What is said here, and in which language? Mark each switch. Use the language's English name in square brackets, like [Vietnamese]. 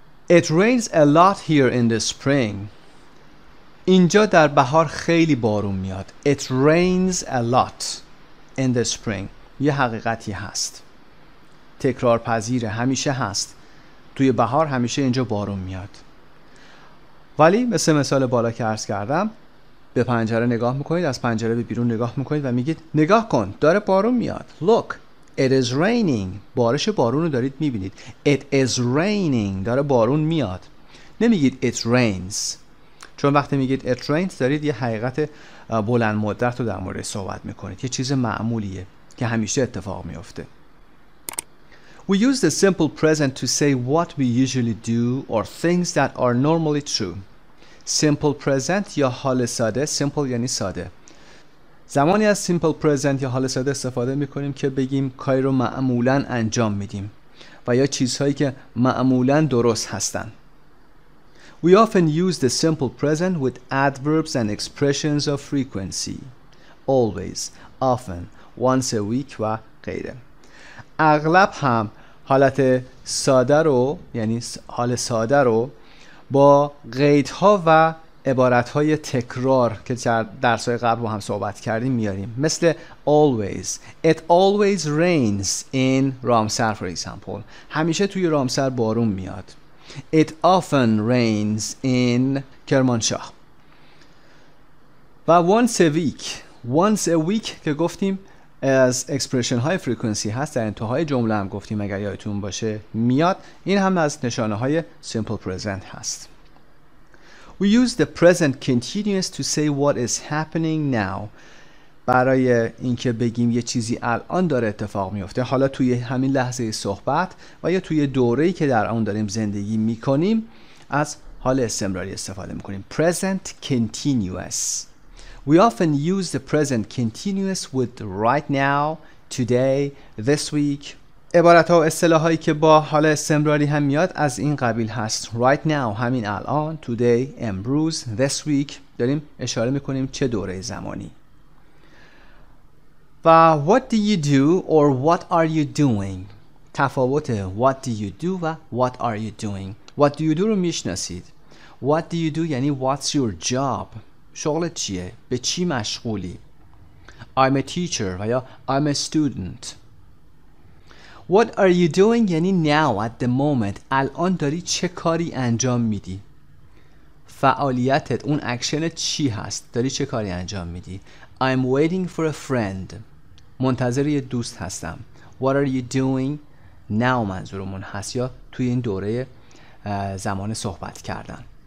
[English] It rains a lot here in the spring. [Persian] اینجا در بهار خیلی بارون میاد. [English] It rains a lot in the spring. [Persian] یه حقیقتی هست. تکرار پذیره. همیشه هست. توی بهار همیشه اینجا بارون میاد. ولی مثل مثال بالا که عرض کردم، به پنجره نگاه میکنید، از پنجره به بیرون نگاه میکنید و میگید نگاه کن، داره بارون میاد. [English] Look, it is raining. [Persian] بارش بارون رو دارید میبینید. [English] It is raining. [Persian] داره بارون میاد. نمیگید [English] it rains. [Persian] چون وقتی میگید [English] it rains [Persian] دارید یه حقیقت بلند مدت رو در مورد صحبت میکنید. یه چیز معمولیه که همیشه اتفاق میفته. [English] We use the simple present to say what we usually do or things that are normally true. [Persian] Simple present یا حال ساده. Simple یعنی ساده. زمانی از simple present یا حال ساده استفاده میکنیم که بگیم کاری رو معمولا انجام میدیم و یا چیزهایی که معمولا درست هستن. [English] We often use the simple present with adverbs and expressions of frequency. Always, often, once a week و غیره. [Persian] اغلب هم حالت ساده رو، یعنی حال ساده رو، با قیدها و عبارتهای تکرار که در درسهای قبل با هم صحبت کردیم میاریم. [English] مثل always. It always rains in Ramsar, for example. [Persian] همیشه توی رامسر بارون میاد. [English] It often rains in Kermanshah. و once a week. [Persian] Once a week که گفتیم از اکسپرشن های فریکونسی هست، در انتهای جمله هم گفتیم اگر یادتون باشه میاد. این هم از نشانه های simple present هست. [English] We use the present continuous to say what is happening now. [Persian] برای اینکه بگیم یه چیزی الان داره اتفاق میفته، حالا توی همین لحظه صحبت و یا توی دوره‌ای که در آن داریم زندگی میکنیم، از حال استمراری استفاده میکنیم. [English] Present continuous. We often use the present continuous with right now, today, this week. [Persian] عبارت ها و اصطلاحایی که با حال استمراری هم میاد از این قبیل هست. [English] Right now, [Persian] همین الان. [English] Today, [Persian] امروز. [English] This week. [Persian] داریم اشاره میکنیم چه دوره زمانی. [English] و what do you do or what are you doing؟ تفاوت what do you do و what are you doing. What do you do [Persian] رو میشناسید. [English] What do you do یعنی what's your job؟ [Persian] شغلت چیه؟ به چی مشغولی؟ [English] I'm a teacher و یا I'm a student. What are you doing یعنی now at the moment. [Persian] الان داری چه کاری انجام میدی؟ فعالیتت، اون اکشنت چی هست؟ داری چه کاری انجام میدی؟ [English] I'm waiting for a friend. [Persian] منتظر یه دوست هستم. [English] What are you doing now [Persian] منظورمون هست، یا توی این دوره زمان صحبت کردن.